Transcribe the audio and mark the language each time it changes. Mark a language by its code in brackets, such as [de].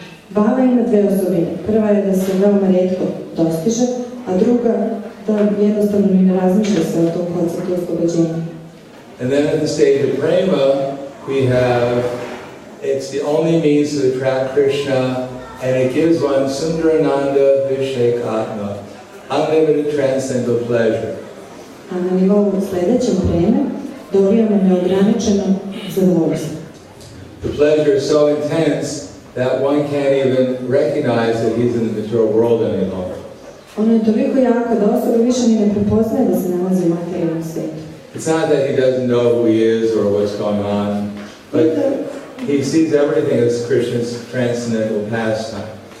[hr] Bhava ima dve osobine. Prva je da se veoma rijetko dostiže, a druga da jednostavno ne razmišlja se o tom konceptu oslobođenja. [en] And then at the stage of prema, we have, it's the only means to attract Krishna, and it gives one Sundarananda Vishekatma, unlimited transcendental pleasure. [hr] A na nivou sljedećem vreme dobijamo neograničeno zadovoljstvo. [en] The pleasure is so intense that one can't even recognize that he's in the material world anymore. [hr] Ono je toliko jako da osoba više ni ne prepoznaje da se nalazi u materijalnom svijetu. [en] It's not that he doesn't know who he is or what's going on, but he sees everything as Krishna's transcendental pastime.